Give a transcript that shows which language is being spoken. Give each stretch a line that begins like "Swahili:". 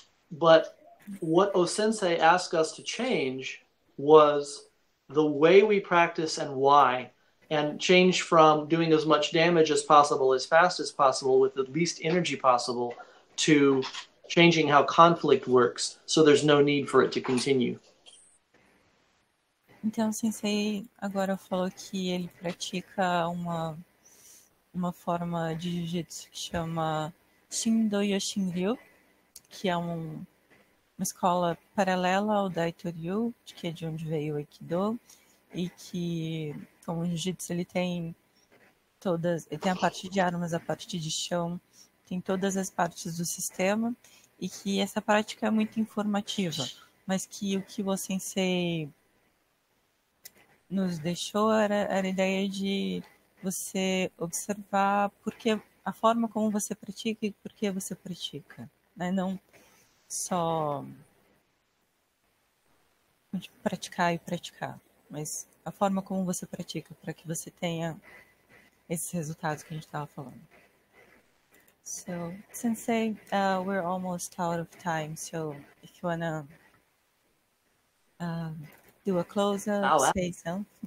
English: But what O-sensei asked us to change was the way we practice and why, and change from doing as much damage as possible, as fast as possible, with the least energy possible, to changing how conflict works, so there's no need for it to continue.
Portuguese: Então, o sensei agora falou que ele pratica uma forma de jiu-jitsu que chama Shindo Yoshinryu, que é uma escola paralela ao Daito Ryu, que é de onde veio o Aikido, e que, como o jiu-jitsu, ele tem todas, ele tem a parte de armas, a parte de chão, tem todas as partes do sistema, e que essa prática é muito informativa, mas que o que o sensei nos deixou era a ideia de você observar porque, a forma como você pratica e por que você pratica, né? Não só praticar e praticar, mas a forma como você pratica para que você tenha esses resultados que a gente estava falando.
English: So, sensei, we're almost out of time, so if you wanna do a close-up, say so.